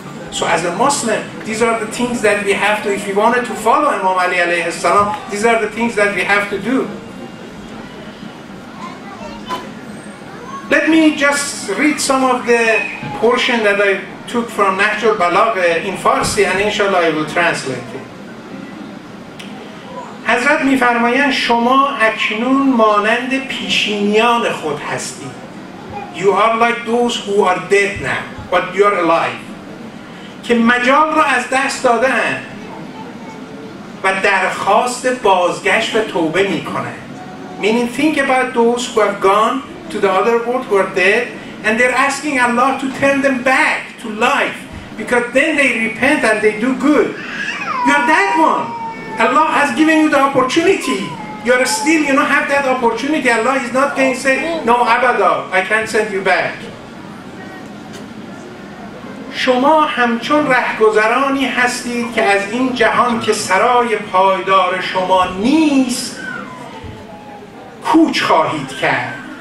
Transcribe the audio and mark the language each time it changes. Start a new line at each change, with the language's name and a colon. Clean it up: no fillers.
English: So as a Muslim, these are the things that we have to, if you wanted to follow Imam Ali alayhi salam, these are the things that we have to do. Let me just read some of the portion that I took from Nahjul Balagha in Farsi, and inshallah I will translate it.
Persian: حضرت می فرمایند شما اکنون مانند پیشینیان خود هستید.
English: You are like those who are dead now, but you are alive.
Persian: که مجال را از دست دادند و درخواست بازگشت و توبه می کنند.
English: Meaning think about those who have gone to the other world, who are dead, and they're asking Allah to turn them back to life. Because then they repent and they do good. You are that one. Allah has given you the opportunity. You are still, you don't have that opportunity. Allah is not going to say, no, abada, I can't send you back.
Persian: شما همچون رهگذرانی هستید که از این جهان که سرای پایدار شما نیست کوچ خواهید کرد.